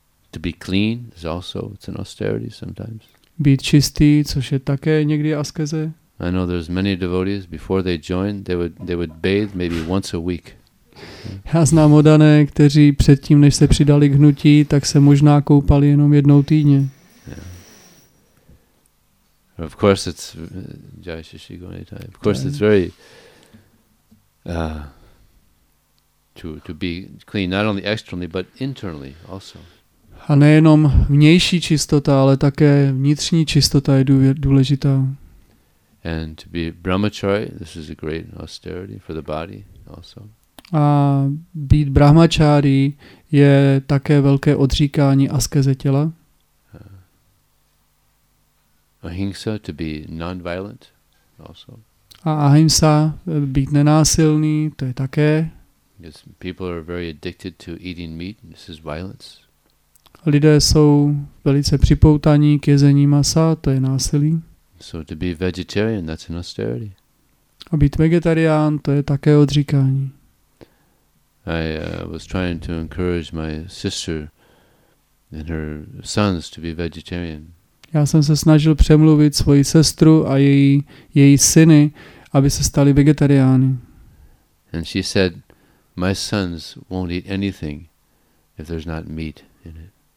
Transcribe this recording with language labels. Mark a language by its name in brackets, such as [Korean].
[English] To be clean is also, it's an austerity sometimes. [Czech] Být čistý, což je také někdy askeze. [English] I know there's many devotees before they joined, they would bathe maybe once a week. [Czech] Já znám odané, kteří předtím, než se přidali k hnutí, tak se možná koupali jenom jednou týdně. [English] Of course it's Jai Shishi Gonitai. Of course it's very to be clean not only externally but internally also. [Czech] A nejenom vnější čistota, ale také vnitřní čistota je důležitá. [English] And to be brahmachari, this is a great austerity for the body also. [Czech] A být brahmachari je také velké odříkání askeze těla. [English] Ahimsa, to be non-violent also. [Czech] A ahimsa, být nenásilný, to je také. [English] Because people are very addicted to eating meat, this is violence. [Czech] Lidé jsou velice připoutaní k jezení masa, to je násilí. [English] So to be vegetarian, that's an austerity. [Czech] A být vegetarián, to je také odříkání. [English] I was trying to encourage my sister and her sons to be vegetarian. [Czech] Já jsem se snažil přemluvit svoji sestru a její syny, aby se stali vegetariány. [English] And she said, my sons won't eat anything if there's not meat in it.